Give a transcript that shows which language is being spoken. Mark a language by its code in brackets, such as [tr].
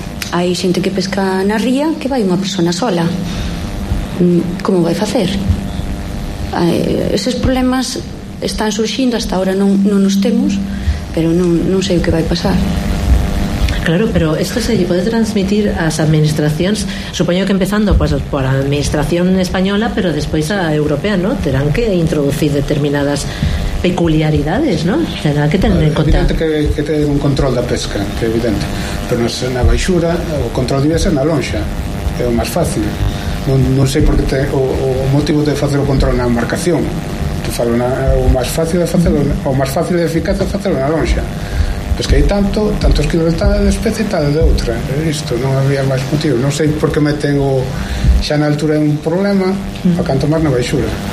[gl] Hai xente que pesca na ría, que vai unha persona sola, como vai facer? Eses problemas están surxindo, hasta ahora non nos temos, pero non sei o que vai pasar. [es] Claro, pero esto se puede transmitir a las administraciones, supongo que empezando pues por la administración española, pero después a la europea, ¿no? Tendrán que introducir determinadas peculiaridades, ¿no? Tendrán que tener en cuenta. Evidente que tener un control de la pesca, que es evidente. Pero no es en la baixura, [gl] o control debe ser en la lonxa, [es] es lo más fácil. No sé por qué o motivo de hacer el control en la embarcación. [gl] Te falo, o más fácil de hacerlo, o más fácil de eficaz de hacerlo en la lonxa. Pues que hai tantos kilos de especie tal de outra, isto non había máis motivo, non sei por que me tengo xa na altura un problema a canto máis na baixura.